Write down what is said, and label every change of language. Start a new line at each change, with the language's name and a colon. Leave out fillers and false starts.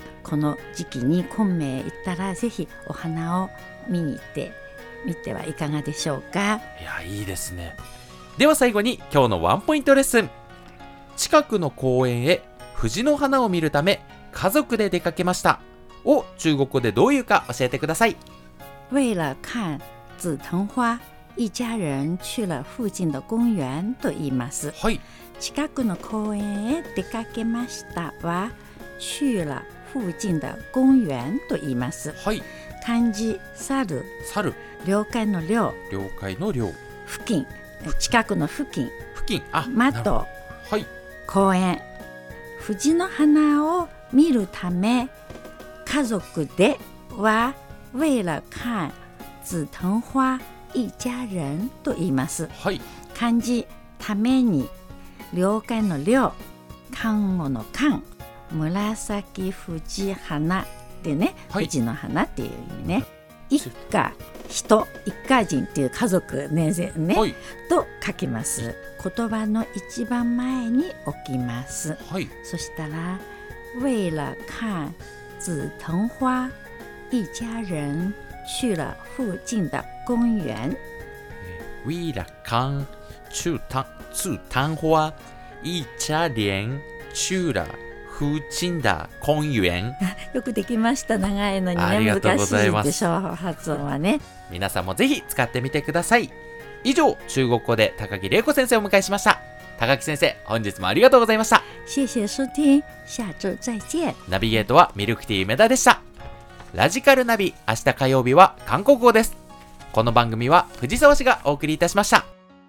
Japanese: この時期に昆明行ったらぜひお花を見に行ってみてはいかがでしょうか。いや、いいですね。では最後に今日のワンポイントレッスン。近くの公園へ藤の花を見るため家族で出かけましたを中国語でどういうか教えてください。
Chinese: 为了看紫藤花一家人去了附近的公园
Japanese: と言います、はい、近くの公園へ出かけましたは
Chinese: 去了附近的公园
Japanese: と言います、はい、漢字猿、猿、了解の了、了解の了、付近、近くの付近、付近、あ、窓、はい、公園、藤の花を見るため家族では
Chinese: 为了看紫藤花一家人
Japanese: と言います、はい、漢字ために了解の了、看護の看、紫藤花でね、はい、藤の花っていう意味ね、一家人、一家人っていう家族ね、ぜね、はい、と書きます。言葉の一番前に置きます、はい、そしたら
Chinese: 为了看紫藤花一家人去了附近的公园。为了看紫藤花，一家人去了附近的公园。
Japanese: よくできました。長いのに、ね、ありがとうございます。難しいでしょう、発音はね。皆さんもぜひ使ってみてください。以上、中国語で高木玲子先生をお迎えしました。高木先生、本日もありがとうございました。
Chinese: 谢谢收听，下周再见。
Japanese: ナビゲートはミルクティー梅田でした。ラジカルナビ、明日火曜日は韓国語です。この番組は藤沢市がお送りいたしました。